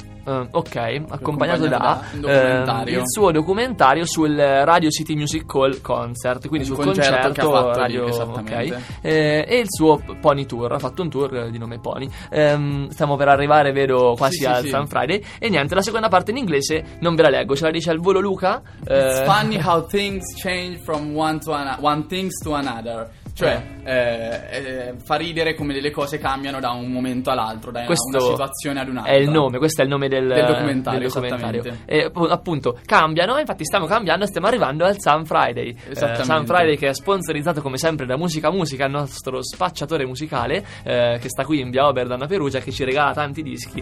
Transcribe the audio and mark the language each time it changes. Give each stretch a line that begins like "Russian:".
Italian: Accompagnato da il suo documentario sul Radio City Music Hall concert, quindi sul concerto che ha fatto radio, lì, esattamente. Okay, e il suo Pony Tour, ha fatto un tour di nome Pony. Stiamo per arrivare, vedo, quasi al Fun Friday. E niente, la seconda parte in inglese non ve la leggo, ce la dice al volo Luca.
English: It's funny how things change from one to another.
Italian: Cioè, fa ridere come delle cose cambiano da un momento all'altro, da questo una situazione ad un'altra. È il nome, questo è il nome del documentario. Del documentario. E appunto, cambiano, infatti stiamo cambiando e stiamo arrivando al Sun Friday. Esattamente. Sun Friday che è sponsorizzato come sempre da Musica Musica, il nostro spacciatore musicale, che sta qui in via Oberdan a Perugia, che ci regala tanti dischi.